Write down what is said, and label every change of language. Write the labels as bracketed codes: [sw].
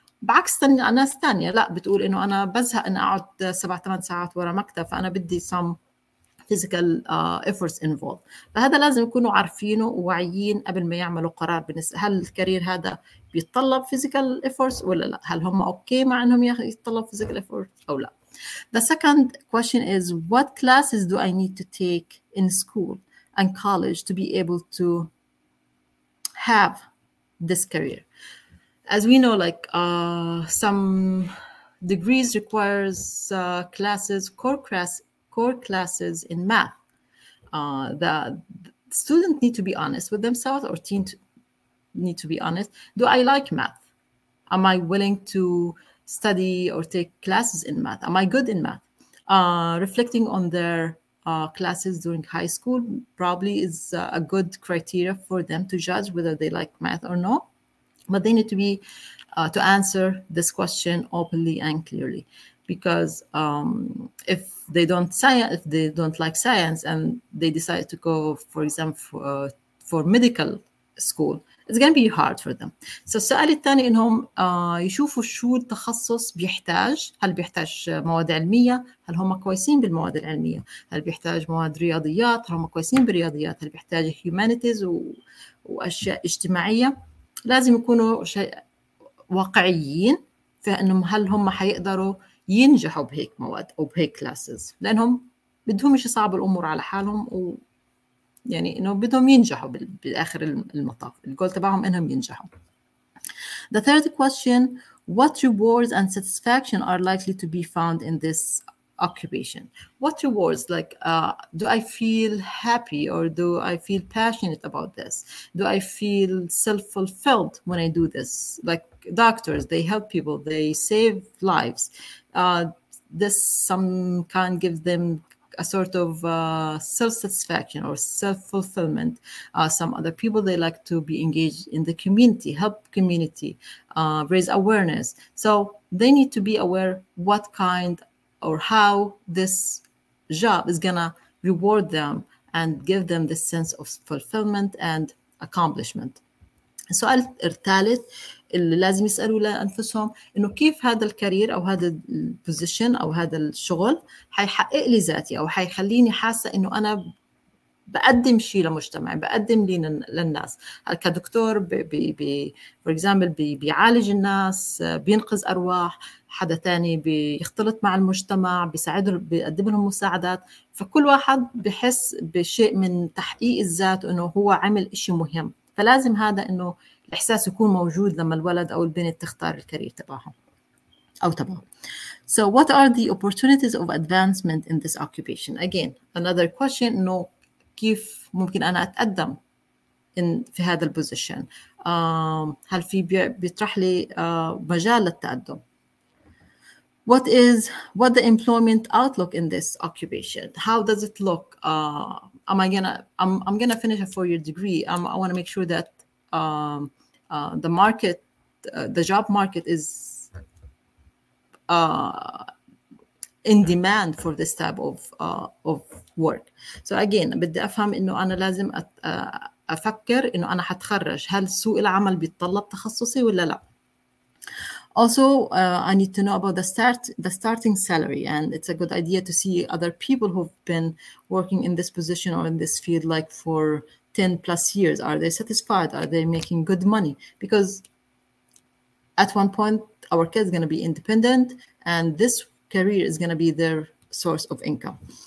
[ar] بعكس ناس تانية لا, بتقول انه انا بزهق ان اقعد 7-8 ساعات ورا مكتب, فانا بدي [en] Some physical effort involved. [ar] فهذا لازم يكونوا عارفينه وواعيين قبل ما يعملوا قرار هل الكارير هذا بيتطلب [en] physical effort [ar] ولا لا, هل هم اوكي مع انهم يتطلب [en] physical effort [ar] او لا. [en] The second question is, what classes do I need to take in school and college to be able to have this career? As we know, like some degrees requires classes, core classes in math. The students need to be honest with themselves, or teens need to be honest. Do I like math? Am I willing to study or take classes in math? Am I good in math? Reflecting on their classes during high school probably is a good criteria for them to judge whether they like math or not. But they need to be to answer this question openly and clearly, because if they don't like science and they decide to go, for example, for medical school, it's going to be hard for them. So [ar] السؤال الثاني إنهم يشوفوا شو التخصص بيحتاج, هل بيحتاج مواد علمية, هل هم كويسين بالمواد العلمية, هل بيحتاج مواد رياضيات, هل هم كويسين بالرياضيات, هل بيحتاج humanities وأشياء اجتماعية. لازم يكونوا واقعيين في أنهم هل هم حيقدروا ينجحوا بهيك مواد أو بهيك classes, لأنهم بدهم مش صعب الأمور على حالهم, و يعني إنه بدهم ينجحوا بالآخر المطاف. الجول تبعهم إنهم ينجحوا. [en] The third question: What rewards and satisfaction are likely to be found in this occupation. What rewards, like, do I feel happy or do I feel passionate about this? Do I feel self-fulfilled when I do this? Like doctors, they help people, they save lives. This some kind gives them a sort of self-satisfaction or self-fulfillment. Some other people, they like to be engaged in the community, help community, raise awareness. So they need to be aware what kind or how this job is gonna reward them and give them the sense of fulfillment and accomplishment. [ar] السؤال الثالث اللي لازم يسألوا لأنفسهم إنه كيف هذا الكارير أو هذا البوزيشن أو هذا الشغل حيحقق لي ذاتي أو حيخليني حاسة إنه أنا بقدم شيء لمجتمعي بقدم لي للناس كدكتور [en] for example [ar] بيعالج الناس بينقذ أرواح حدا تاني بيختلط مع المجتمع بيساعدهم بيقدم لهم مساعدات فكل واحد بحس بشيء من تحقيق الذات إنه هو عمل إشي مهم فلازم هذا إنه الإحساس يكون موجود لما الولد أو البنت تختار الكارير تبعهم أو تبعهم. [en] So what are the opportunities of advancement in this occupation? Again, another question, [ar] إنه كيف ممكن أنا أتقدم في هذا البوزيشن؟ هل في بيطرح لي مجال للتقدم؟ [en] What the employment outlook in this occupation? How does it look? I'm gonna finish a 4-year degree. I want to make sure that the market, the job market is in demand for this type of work. So again, [ar] بدي أفهم إنه أنا لازم أفكر إنه أنا حتخرج. هل سوق العمل بيتطلب تخصصي ولا لا؟ [en] Also, I need to know about the starting salary, and it's a good idea to see other people who've been working in this position or in this field like for 10 plus years. Are they satisfied? Are they making good money? Because at one point, our kid is going to be independent, and this career is going to be their source of income.